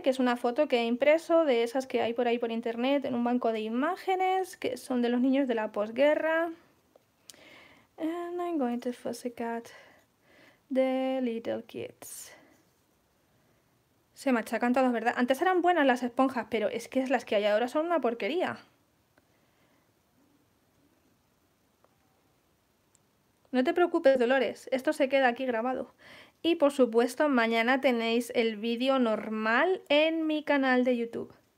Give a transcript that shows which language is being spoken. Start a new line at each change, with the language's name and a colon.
Spanish: Que es una foto que he impreso, de esas que hay por ahí por internet, en un banco de imágenes, que son de los niños de la posguerra.
English: And I'm going to fussy cut the little kids.
Spanish: Se machacan todas, ¿verdad? Antes eran buenas las esponjas, pero es que las que hay ahora son una porquería. No te preocupes, Dolores, esto se queda aquí grabado. Y por supuesto, mañana tenéis el vídeo normal en mi canal de YouTube.